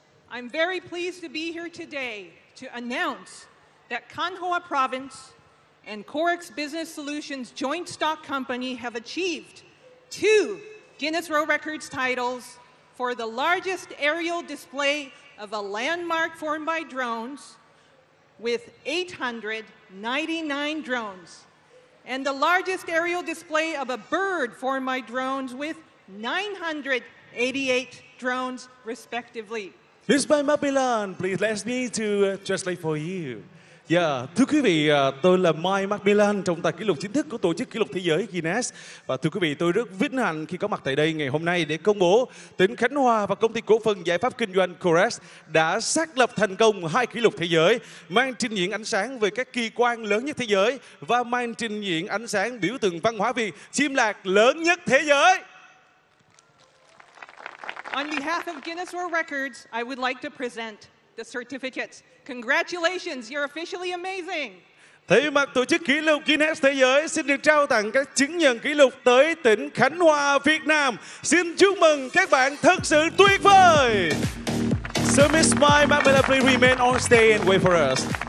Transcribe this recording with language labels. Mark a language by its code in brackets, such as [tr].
[en] I'm very pleased to be here today to announce that Khánh Hòa Province and Corex Business Solutions Joint Stock Company have achieved 2 Guinness World Records titles for the largest aerial display of a landmark formed by drones with 899 drones. And the largest aerial display of a bird formed by drones with 988 drones, respectively. Miss Mai McMullen, please let me to translate for you. Yeah. [vi] Thưa quý vị, tôi là Mike McMillan, trọng tài kỷ lục chính thức của tổ chức kỷ lục thế giới Guinness. Và thưa quý vị, tôi rất vinh hạnh khi có mặt tại đây ngày hôm nay để công bố tỉnh Khánh Hòa và công ty cổ phần giải pháp kinh doanh Corex đã xác lập thành công hai kỷ lục thế giới, màn trình diễn ánh sáng về các kỳ quan lớn nhất thế giới và màn trình diễn ánh sáng biểu tượng văn hóa Việt chim lạc lớn nhất thế giới. [en] On behalf of Guinness World Records, I would like to present the certificates. Congratulations, you're officially amazing. [vi] Thay mặt tổ chức kỷ lục Guinness Thế giới xin được trao tặng các chứng nhận kỷ lục tới tỉnh Khánh Hòa, Việt Nam. Xin chúc mừng các bạn thật sự tuyệt vời. [en] So Miss Mai, Mabella, please remain on stage and wait for us.